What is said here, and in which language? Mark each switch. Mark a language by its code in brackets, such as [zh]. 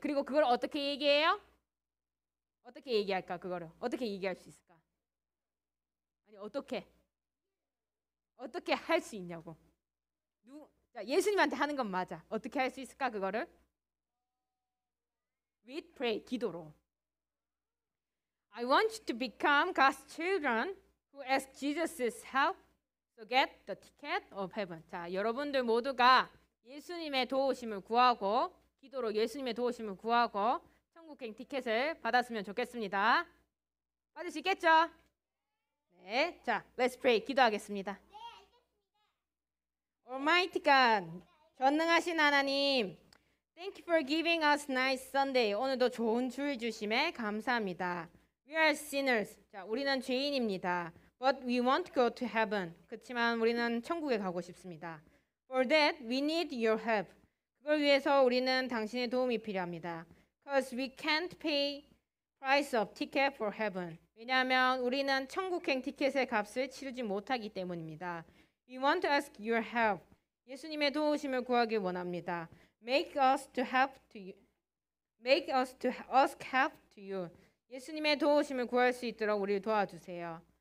[ko] 그리고 그걸 어떻게 얘기해요? 어떻게 얘기할까, 그거를? 어떻게 얘기할 수 있을까? 아니, 어떻게? 어떻게 할 수 있냐고. 자, 예수님한테 하는 건 맞아. 어떻게 할 수 있을까, 그거를? [en] With pray, [ko] 기도로. [en] I want you to become God's children who ask Jesus' help. So get the ticket of heaven. [ko] 자, 여러분들 모두가 예수님의 도우심을 구하고 기도로 예수님의 도우심을 구하고 천국행 티켓을 받았으면 좋겠습니다. 받을 수 있겠죠? 네, 자, [en] let's pray. [ko] 기도하겠습니다. 네, 알겠습니다. [en] Almighty God, [ko] 전능하신 하나님, [en] Thank you for giving us nice Sunday. [ko] 오늘도 좋은 주일 주심에 감사합니다. [en] We are sinners. [ko] 자, 우리는 죄인입니다. [en] But we want to go to heaven. [ko] 그렇지만 우리는 천국에 가고 싶습니다. [en] For that, we need your help. [ko] 그걸 위해서 우리는 당신의 도움이 필요합니다. [en] Because we can't pay price of ticket for heaven. [ko] 왜냐하면 우리는 천국행 티켓의 값을 치르지 못하기 때문입니다. [en] We want to ask your help. [ko] 예수님의 도우심을 구하길 원합니다. [en] Make us to ask help to you. [ko] 예수님의 도우심을 구할 수 있도록 우리를 도와주세요.